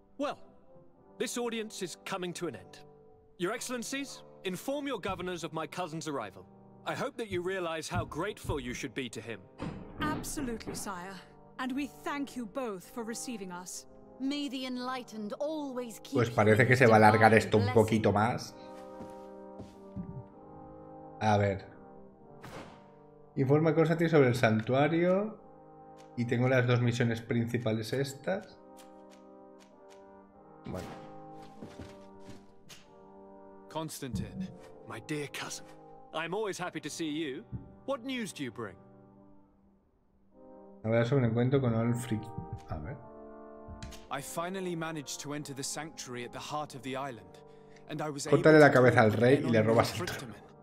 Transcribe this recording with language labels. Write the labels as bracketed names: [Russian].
[English] Well, this audience is coming to an end. Your Excellencies, inform your governors of my cousin's arrival. I hope that you realize how grateful you should be to him. Absolutely, sire. And we thank you both for receiving us. May the enlightened always keep. [Spanish] Pues parece que se va a alargar esto un poquito más. A ver. Informa Constantine sobre el santuario. Y tengo las dos misiones principales estas. Bueno. [English] Constantine, my dear cousin. I'm always happy to see you. What news do you bring? [Spanish] Hablar sobre el encuentro con Alfric. A ver. [English] I finally managed to enter the sanctuary at the heart of the island, and I was able. [Spanish] Córtale la cabeza al rey y le robas el trono.